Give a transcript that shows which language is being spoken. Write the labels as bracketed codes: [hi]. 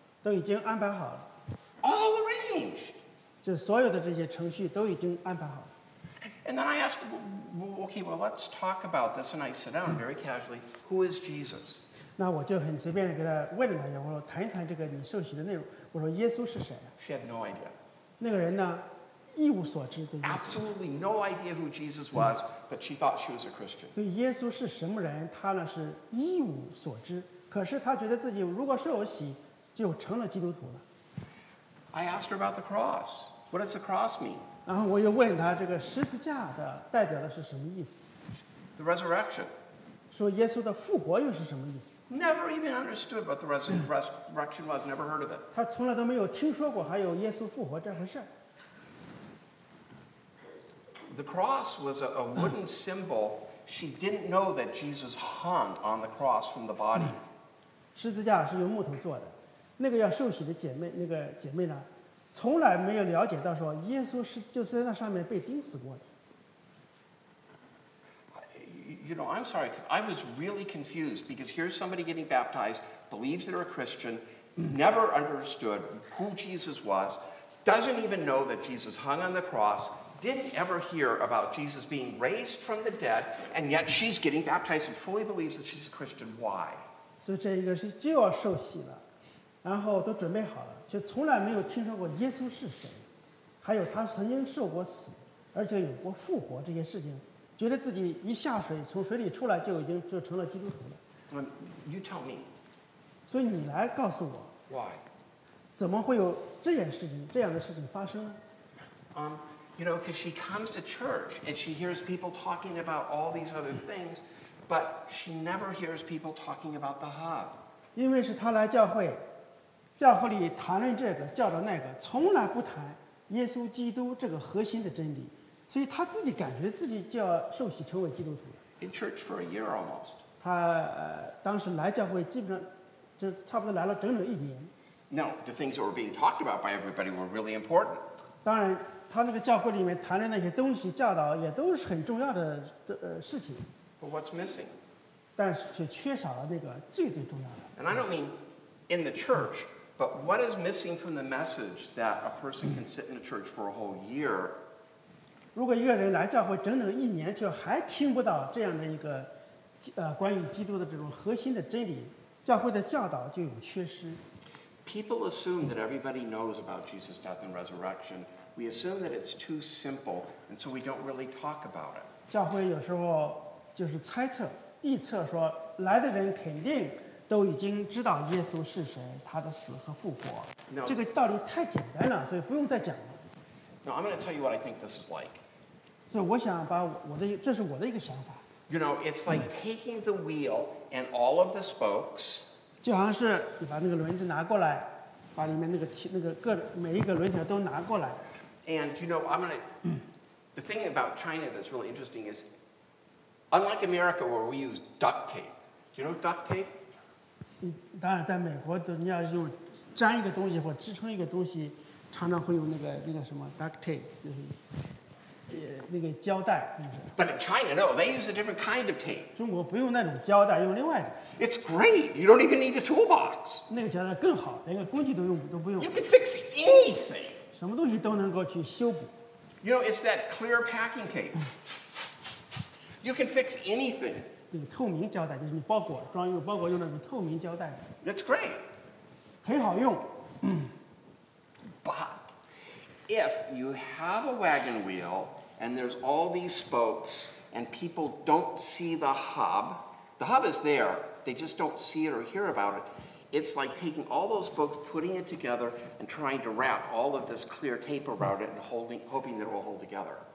[zh] 都已经安排好了。 [en] All arranged. [zh] 就所有的这些程序都已经安排好了。 [en] And then I asked, okay, well, let's talk about this. And I sat down very casually. Who is Jesus? [zh] 那我就很随便地给他问了他，我说谈一谈这个你受洗的内容。我说耶稣是谁啊？ [en] She had no idea. [zh] 那个人呢？一无所知的意思。 [en] Absolutely no idea who Jesus was, but she thought she was a Christian. [zh] 对耶稣是什么人，她呢是一无所知。可是她觉得自己如果受洗，就成了基督徒了。 [en] I asked her about the cross. What does the cross mean? [zh] 然后我又问她这个十字架的代表的是什么意思。 [en] The resurrection. [zh] 说耶稣的复活又是什么意思？ [en] Never even understood what the resurrection was. Never heard of it. [zh] 他从来都没有听说过还有耶稣复活这回事。 [en] The cross was a wooden symbol. She didn't know that Jesus hung on the cross from the body. [zh] 十字架是用木头做的，那个要受洗的姐妹，那个姐妹呢，从来没有了解到说耶稣是就是在那上面被钉死过的。 [en] You know, I'm sorry, because I was really confused because here's somebody getting baptized, believes they're a Christian, never understood who Jesus was, doesn't even know that Jesus hung on the cross, didn't ever hear about Jesus being raised from the dead, and yet she's getting baptized and fully believes that she's a Christian. Why? [zh] So, 这一个是就要受洗了，然后都准备好了，却从来没有听说过耶稣是谁，还有他曾经受过死，而且有过复活这些事情。觉得自己一下水从水里出来就已经就成了基督徒了。 [en] You tell me. [zh] 所以你来告诉我。 [en] Why? [zh] 怎么会有这件事情这样的事情发生呢？ [en] You know, because she comes to church and she hears people talking about all these other things, but she never hears people talking about the hub. [zh] 因为是她来教会，教会里谈论这个，教导那个，从来不谈耶稣基督这个核心的真理。所以他自己感觉自己就要受洗成为基督徒。 [en] In church for a year almost. [zh] 他当时来教会基本上就差不多来了整整一年。 [en] Now the things that were being talked about by everybody were really important. [zh] 当然，他那个教会里面谈的那些东西、教导也都是很重要的事情。 [en] But what's missing? [zh] 但是却缺少了那个最最重要的。 [en] And I don't mean in the church, but what is missing from the message that a person can sit in a church for a whole year? [zh] 如果一个人来教会整整一年，却还听不到这样的一个，关于基督的这种核心的真理，教会的教导就有缺失。 [en] People assume that everybody knows about Jesus' death and resurrection. We assume that it's too simple, and so we don't really talk about it. [zh] 教会有时候就是猜测、臆测说，来的人肯定都已经知道耶稣是谁，他的死和复活。 [en] No. [zh] 这个道理太简单了，所以不用再讲了。 [en] Now, I'm going to tell you what I think this is like. [zh] So, 我想把我的这是我的一个想法。 [en] You know, it's like taking the wheel and all of the spokes. [zh] 就好像是你把那个轮子拿过来，把里面那个各每一个轮条都拿过来。 [en] And you know, I'm going to. The thing about China that's really interesting is, unlike America where we use duct tape, do you know duct tape? [zh] 当然，在美国的你要用粘一个东西或支撑一个东西。常常会用那个什么 duct tape， 就是那个胶带。 [en] But in China, no, they use a different kind of tape. [zh] 中国不用那种胶带，用另外的。 [en] It's great. You don't even need a toolbox. [zh] 那个胶带更好，连个工具都不用。 [en] You can fix anything. [zh] 什么东西都能够去修补。 [en] You know, it's that clear packing tape. You can fix anything. [zh] 那个透明胶带就是你包裹装用包裹用那种透明胶带。 [en] That's great. [zh] 很好用。 [en] If you have a wagon wheel and there's all these spokes and people don't see the hub is there, they just don't see it or hear about it. It's like taking all those spokes, putting it together and trying to wrap all of this clear tape around it and hoping that it will hold together.